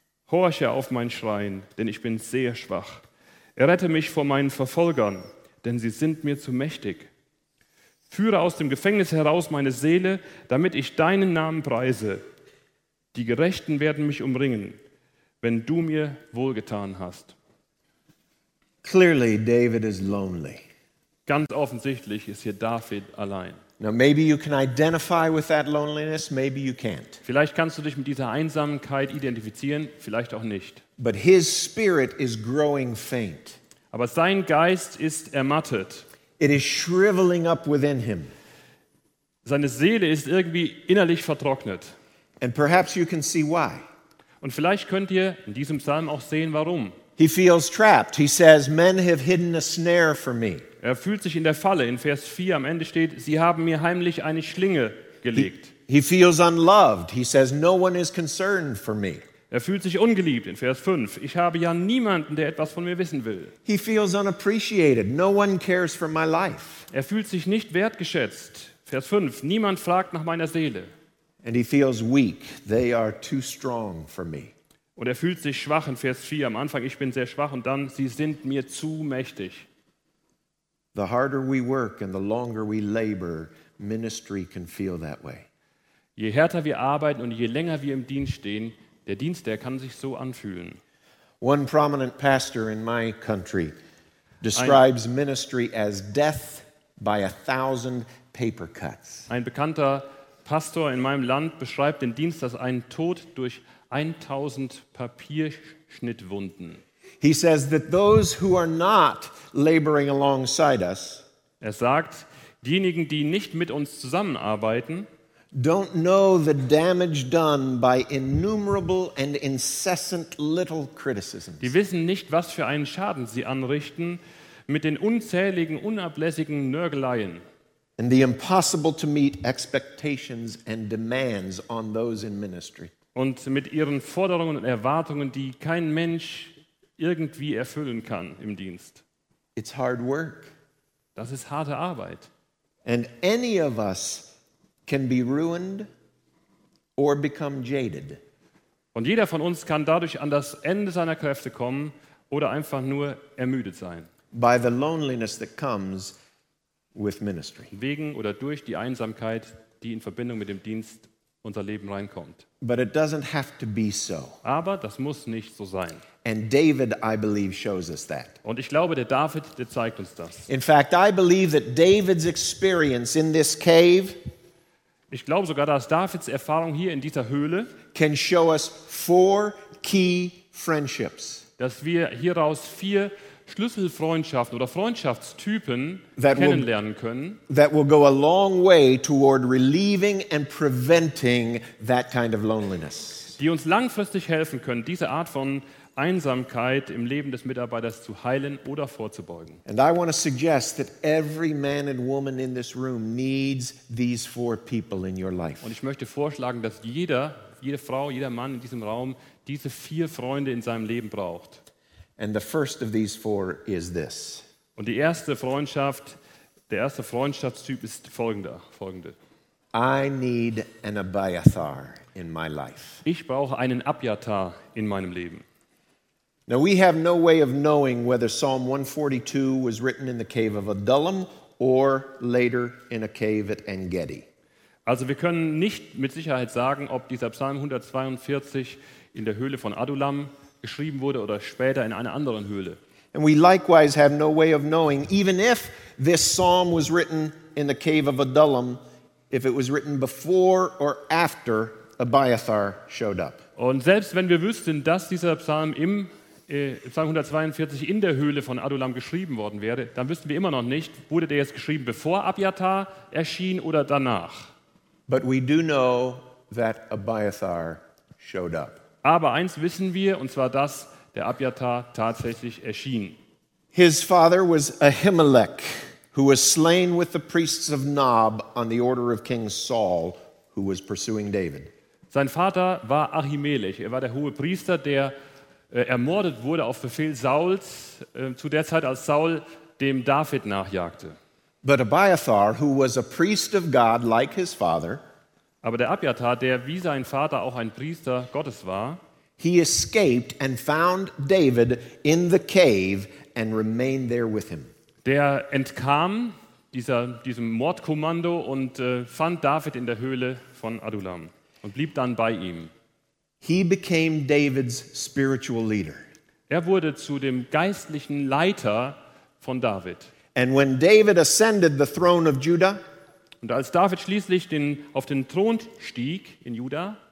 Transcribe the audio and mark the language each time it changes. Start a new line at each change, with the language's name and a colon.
German: Horche auf mein Schreien, denn ich bin sehr schwach. Errette mich vor meinen Verfolgern, denn sie sind mir zu mächtig. Führe aus dem Gefängnis heraus meine Seele, damit ich deinen Namen preise. Die Gerechten werden mich umringen, wenn du mir wohlgetan hast.
English: Clearly, David is lonely.
German: Ganz offensichtlich ist hier David allein.
English: Now maybe you can identify with that loneliness, maybe you can't.
German: Vielleicht kannst du dich mit dieser Einsamkeit identifizieren, vielleicht auch nicht.
English: But his spirit is growing faint.
German: Aber sein Geist ist ermattet.
English: It is shriveling up within him.
German: Seine Seele ist irgendwie innerlich vertrocknet.
English: And perhaps you can see why.
German: Und vielleicht könnt ihr in diesem Psalm auch sehen, warum.
English: He feels trapped. He says, men have hidden a snare for me.
German: Er fühlt sich in der Falle. In Vers 4 am Ende steht, sie haben mir heimlich eine Schlinge gelegt.
English: He feels unloved. He says, no one is concerned for me.
German: Er fühlt sich ungeliebt. In Vers 5, ich habe ja niemanden, der etwas von mir wissen will.
English: He feels unappreciated. No one cares for my life.
German: Er fühlt sich nicht wertgeschätzt. Vers 5, niemand fragt nach meiner Seele.
English: And he feels weak. They are too strong for me.
German: Und er fühlt sich schwach in Vers 4. Am Anfang, ich bin sehr schwach und dann, sie sind mir zu mächtig.
English: The harder we work and the longer we labor, ministry can feel that way.
German: Je härter wir arbeiten und je länger wir im Dienst stehen, der Dienst, der kann sich so anfühlen.
English: One prominent pastor in my country describes ministry as death by a thousand paper cuts.
German: Ein bekannter Pastor in meinem Land beschreibt den Dienst als einen Tod durch 1000 Papierschnittwunden.
English: He says that those who are not laboring alongside us,
German: er sagt, diejenigen, die nicht mit uns zusammenarbeiten,
English: don't know the damage done by innumerable and incessant little criticisms.
German: Die wissen nicht, was für einen Schaden sie anrichten mit den unzähligen, unablässigen Nörgeleien.
English: And the impossible to meet expectations and demands on those in ministry.
German: Und mit ihren Forderungen und Erwartungen, die kein Mensch irgendwie erfüllen kann im Dienst.
English: It's hard work.
German: Das ist harte Arbeit.
English: And any of us can be ruined or become jaded.
German: Und jeder von uns kann dadurch an das Ende seiner Kräfte kommen oder einfach nur ermüdet sein.
English: By the loneliness that comes with ministry.
German: Wegen oder durch die Einsamkeit, die in Verbindung mit dem Dienst unser Leben reinkommt.
English: But it doesn't have to be so.
German: Aber das muss nicht so sein.
English: And David, I believe, shows us that.
German: Und ich glaube, der David, der zeigt uns das.
English: In fact, I believe that David's experience in this cave,
German: ich glaube sogar, dass Davids Erfahrung hier in dieser Höhle,
English: can show us four key friendships.
German: Dass wir hieraus vier Schlüsselfreundschaften oder Freundschaftstypen kennenlernen können.
English: That will go a long way toward relieving and preventing that kind of loneliness.
German: Die uns langfristig helfen können, diese Art von Einsamkeit im Leben des Mitarbeiters zu heilen oder vorzubeugen.
English: And I want to suggest that every man and woman in this room needs these four people in your life.
German: Und ich möchte vorschlagen, dass jede Frau, jeder Mann in diesem Raum diese vier Freunde in seinem Leben braucht.
English: And the first of these four is this.
German: Und die erste Freundschaft, der erste Freundschaftstyp ist folgende.
English: I need an Abiathar in my life.
German: Ich brauche einen Abiathar in meinem Leben.
English: Now we have no way of knowing whether Psalm 142 was written in the cave of Adullam or later in a cave at En Gedi.
German: Also wir können nicht mit Sicherheit sagen, ob dieser Psalm 142 in der Höhle von Adullam geschrieben wurde oder später in einer anderen Höhle.
English: And we likewise have no way of knowing, even if this psalm was written in the cave of Adullam, if it was written before or after Abiathar showed up.
German: Und selbst wenn wir wüssten, dass dieser Psalm im Psalm 142 in der Höhle von Adullam geschrieben worden wäre, dann wüssten wir immer noch nicht, wurde der jetzt geschrieben, bevor Abiathar erschien oder danach.
English: But we do know that Abiathar showed up.
German: Aber eins wissen wir, und zwar, dass der Abiathar tatsächlich erschien.
English: His father was Ahimelech, who was slain with the priests of Nob on the order of King Saul, who was pursuing David.
German: Sein Vater war Ahimelech. Er war der hohe Priester, der ermordet wurde auf Befehl Sauls zu der Zeit, als Saul dem David nachjagte.
English: But Abiathar, who was a priest of God like his father,
German: aber der Abiathar, der wie sein Vater auch ein Priester Gottes war,
English: he escaped and found David in the cave and remained there with him.
German: Der entkam diesem Mordkommando und fand David in der Höhle von Adullam und blieb dann bei ihm.
English: He became David's spiritual leader.
German: Er wurde zu dem geistlichen Leiter von David.
English: And when David ascended the throne of Judah,
German: und als David schließlich auf den Thron stieg in Juda,